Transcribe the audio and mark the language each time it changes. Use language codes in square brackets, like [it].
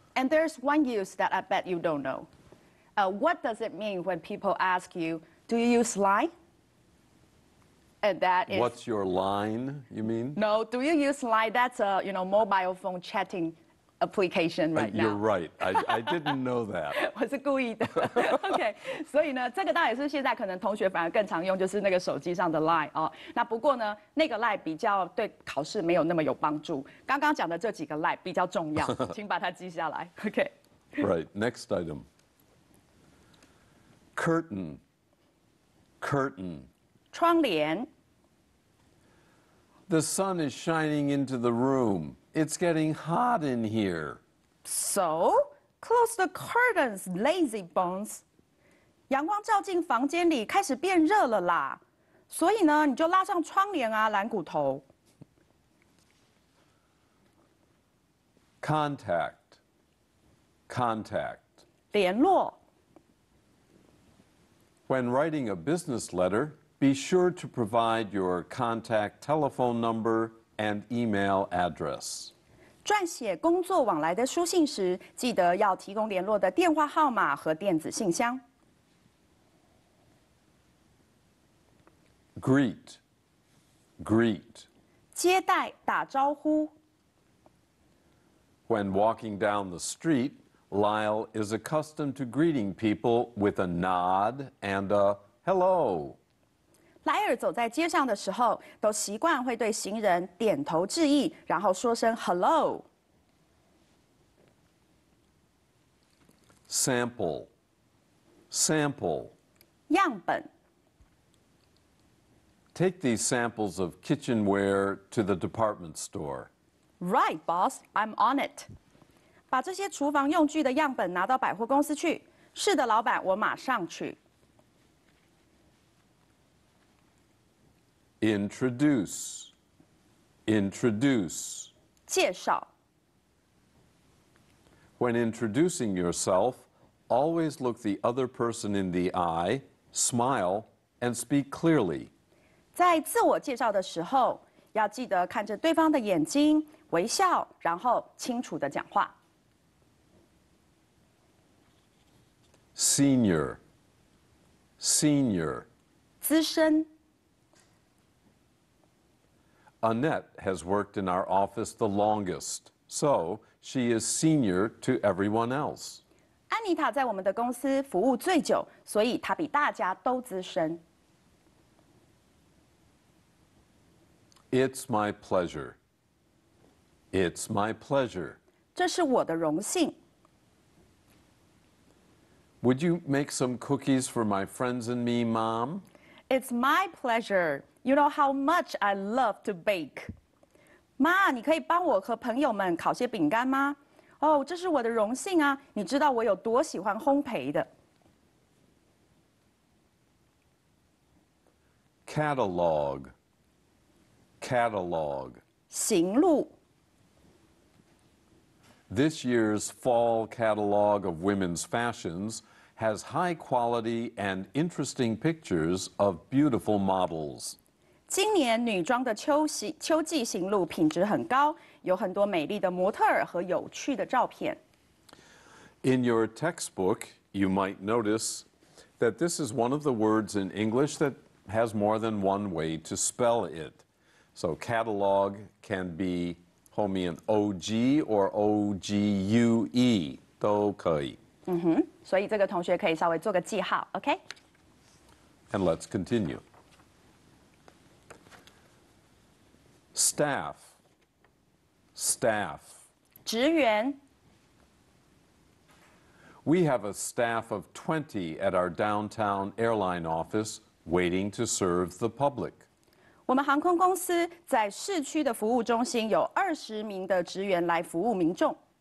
[en] And there's one use that I bet you don't know. What does it mean when people ask you, do you use line? And that is... What's your line, you mean? No, do you use line? That's a mobile phone chatting application right now. You're right. I didn't know that. [zh] 我是故意的。 OK, 所以呢，这个倒也是现在可能同学反而更常用，就是那个手机上的 line 哦。那不过呢，那个 line 比较对考试没有那么有帮助。刚刚讲的这几个 line 比较重要，请把它记下来。 [en] OK. Right. Next item. Curtain. Curtain. [zh] 窗帘。 [en] The sun is shining into the room. It's getting hot in here. So, close the curtains, lazy bones. [zh] 阳光照进房间里，开始变热了啦。所以呢，你就拉上窗帘啊，懒骨头。 [en] Contact. Contact. [zh] 联络。 [en] When writing a business letter, be sure to provide your contact telephone number and email address. [zh] 撰写工作往来的书信时，记得要提供联络的电话号码和电子信箱。 [en] Greet, greet. [zh] 接待，打招呼。 [en] When walking down the street, Lyle is accustomed to greeting people with a nod and a hello. [zh] 莱尔走在街上的时候，都习惯会对行人点头致意，然后说声 hello。 [en] Sample, sample. [zh] 样本。 [en] Take these samples of kitchenware to the department store. Right, boss, I'm on it. [zh] 把这些厨房用具的样本拿到百货公司去。是的，老板，我马上去。 [en] Introduce, introduce. [zh] 介绍。 [en] When introducing yourself,Always look the other person in the eye, smile, and speak clearly. [zh] 在自我介绍的时候，要记得看着对方的眼睛，微笑，然后清楚地讲话。 [en] Senior, senior. [zh] 资深。 [en] Annette has worked in our office the longest, so she is senior to everyone else. 安妮塔在我们的公司服务最久，所以她比大家都资深。 It's my pleasure. It's my pleasure. [zh] 这是我的荣幸。 [en] Would you make some cookies for my friends and me, Mom? It's my pleasure. You know how much I love to bake. [zh] 妈，你可以帮我和朋友们烤些饼干吗？哦，这是我的荣幸啊！你知道我有多喜欢烘焙的。 [en] Catalog. Catalog. [zh] 行路。 [en] This year's fall catalog of women's fashions has high quality and interesting pictures of beautiful models. [zh] 今年女装的秋季行路品质很高，有很多美丽的模特儿和有趣的照片。 [en] In your textbook, you might notice that this is one of the words in English that has more than one way to spell it. So catalog can be homian O-G or O-G-U-E, [zh] 都可以。嗯哼，所以这个同学可以稍微做个记号 ,OK? [en] And let's continue. Staff. Staff. [zh] 职员。 [en] We have a staff of 20 at our downtown airline office waiting to serve the public. [zh] 我们航空公司在市区的服务中心有20名的职员来服务民众。